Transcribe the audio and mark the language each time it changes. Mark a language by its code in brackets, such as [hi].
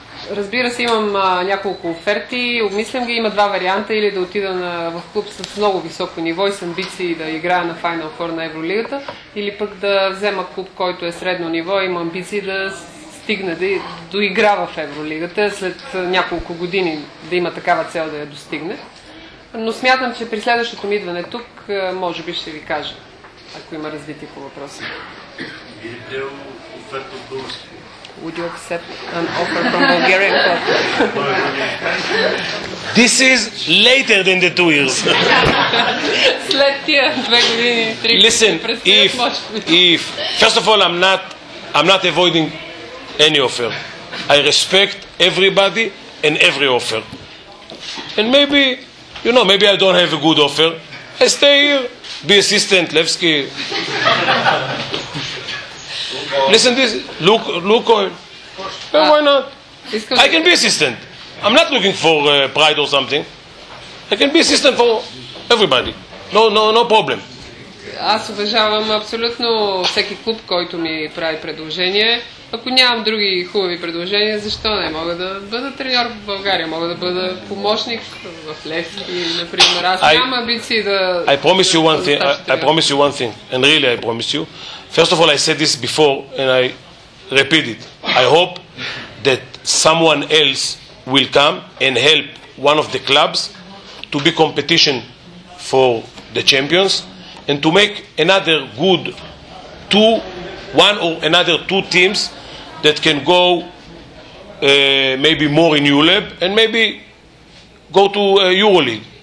[bg] Разбира се, имам няколко оферти, обмислям ги, има два варианта, или да отида в клуб с много високо ниво и с амбиции да играя на Final Four на Евролигата, или пък да взема клуб, който е средно ниво и има амбиции да стигне да доигра в Евролигата, след няколко години да има такава цел да я достигне. Но смятам, че при следващото ми идване тук, може би ще ви кажа, ако има развитие по въпроса. [en] Would you accept an offer from Bulgarian club? This is later than the 2 years. [bg] След тия две години и три. [en] Listen, if first of all I'm not avoiding any offer. I respect everybody and every offer. And maybe, you know, maybe I don't have a good offer. I stay here, be assistant, Levski. Listen to this, Lukoil. Why not? I can be assistant. I'm not looking for pride or something. I can be assistant for everybody. No problem. [bg] Аз уважавам абсолютно всеки клуб, който ми прави предложение. Ако нямам други хубави предложения, защо не? Мога да бъда треньор в България, мога да бъда помощник в Левски, например. Аз нямам амбиции да... [en] I promise you one thing, and really I promise you. First of all, I said this before, and I repeat it. I hope that someone else will come and help one of the clubs to be competition for the champions, and to make another good two teams that can go maybe more in ULEB and maybe go to EuroLeague.